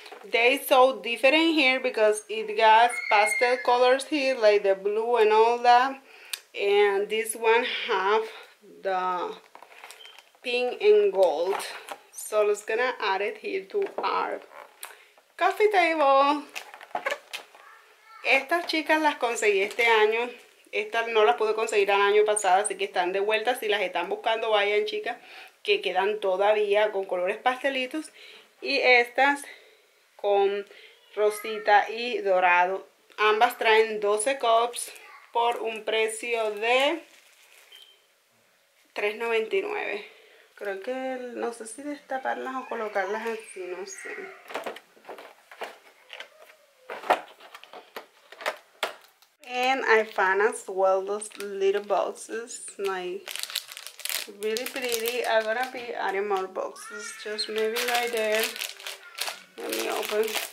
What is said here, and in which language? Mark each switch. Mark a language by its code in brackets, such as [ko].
[en] They're so different here because it got pastel colors here, like the blue and all that. And this one have the pink and gold. So I'm just gonna add it here to our coffee table. [es] Estas chicas las conseguí este año. Estas no las pude conseguir el año pasado, así que están de vuelta. Si las están buscando, vayan, chicas, que quedan todavía con colores pastelitos. Y estas con rosita y dorado. Ambas traen 12 cups por un precio de $3.99. Creo que no sé si destaparlas o colocarlas así, no sé. [en] And I found as well those little boxes, like really pretty. I'm gonna be adding more boxes, just maybe right there. Let me open.